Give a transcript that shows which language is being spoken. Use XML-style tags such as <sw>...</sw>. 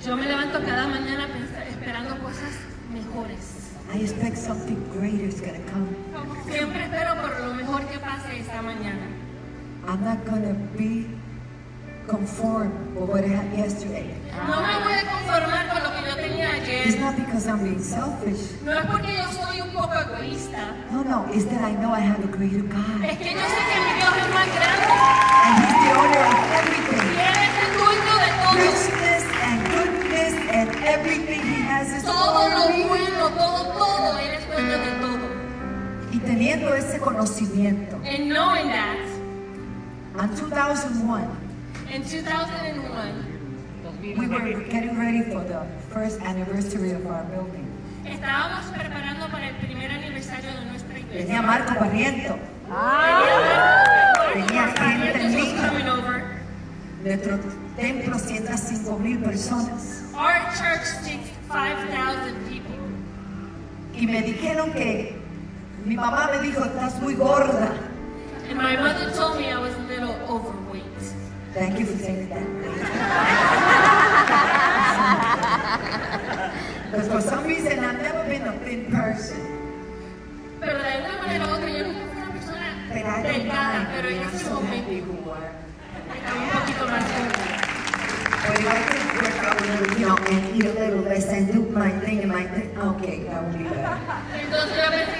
<es>Yo me levanto cada mañana esperando cosas mejores.</es> <en>I expect something greater is going to come.</en> <es>Siempre espero por lo mejor que pase esta mañana.</es> <en>I'm not going to be conformed with what happened yesterday.</en> <es>No me voy a conformar con lo que yo tenía ayer.</es> <en>It's not because I'm being selfish.</en> <es>No es porque yo soy un poco egoísta.</es> <en>No, no, it's that I know I have a greater God.</en> <es>Es que yo sé que mi Dios es más grande.</es> <en>And he's the owner of everything.</en> <es>Y él es el dueño de todo.</es> <en>Richness and goodness and everything he has is</en> <es>todo</es> <en>all</en> <es>lo bueno, todo, todo. Él es dueño de todo. Y teniendo ese conocimiento.</es> <en>And knowing that. In 2001. In 2001. We were getting ready for the first anniversary of our building.</en> <es>Estábamos preparando para el primer aniversario de nuestra iglesia. Tenía Marco Barriento. Tenía gente linda. Nuestro templo sienta 5,000 personas.</es> <en>Our church takes 5,000 people.</en> <es>Y me dijeron que mi mamá me dijo, estás muy gorda.</es> <en>And my mother told me I was a little overweight. Thank you for saying that. Because for some reason I've never been a thin person.</en> <es>Pero de alguna manera otra yo nunca fui una persona delgada, pero en ese momento</es> <en>but if I can work out a little young and eat a little less and do my thing and my thing, okay, that would be better.</en>